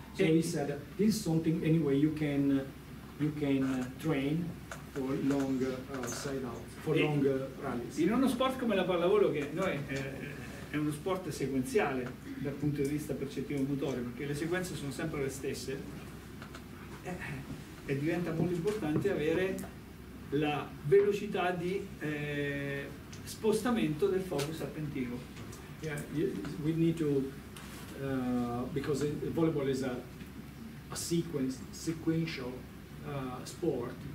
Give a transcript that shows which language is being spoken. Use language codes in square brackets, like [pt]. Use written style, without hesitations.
[en] So he said this is something anyway you can train for long side out, for long rallies. [it] In uno sport come la pallavolo, che noi è uno sport sequenziale dal punto di vista percettivo motore, perché le sequenze sono sempre le stesse, e diventa molto importante avere la velocità di spostamento del focus attentivo. [en] Yeah, we need to because volleyball is a sequential sport.